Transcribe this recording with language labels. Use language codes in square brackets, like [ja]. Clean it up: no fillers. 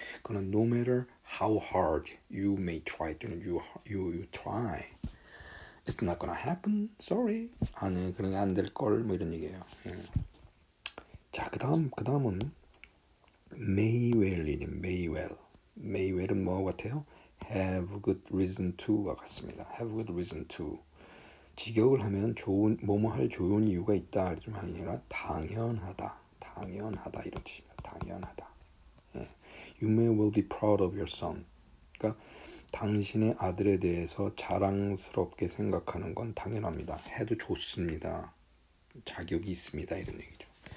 [ko] 그건 [en] no matter how hard you may try, 또는 you try, it's not gonna happen, sorry. [ko] 아니 그런 게 안 될 걸 뭐 이런 얘기예요. 자, 그다음은 may well이네. [en] may well [ko] 은 뭐 같아요? [en] have good reason to [ko] 와 같습니다. [en] have good reason to. [ko] 직역을 하면 좋은 뭐뭐 할 좋은 이유가 있다 좀 아니라 당연하다 이런 뜻입니다. 당연하다. 예. [en] you may well be proud of your son. [ko] 그러니까 당신의 아들에 대해서 자랑스럽게 생각하는 건 당연합니다. 해도 좋습니다. 자격이 있습니다 이런 얘기죠.